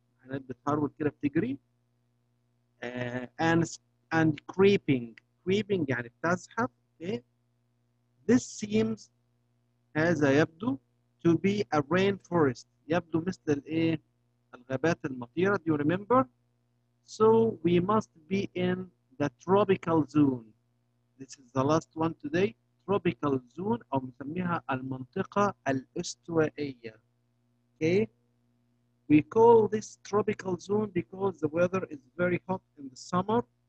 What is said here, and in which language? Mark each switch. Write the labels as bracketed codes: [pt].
[ar] حيوانات بتهرول كده بتجري. [en] And creeping. Creeping [ar] يعني بتزحف. [en] Okay. This seems, [ar] هذا يبدو, [en] to be a rainforest. [ar] يبدو مثل الايه؟ الغابات المطيرة. [en] Do you remember? So we must be in the tropical zone. This is the last one today. Tropical zone, [ar] أو نسميها المنطقة الاستوائية. [en] Okay? We call this tropical zone because the weather is very hot in the summer.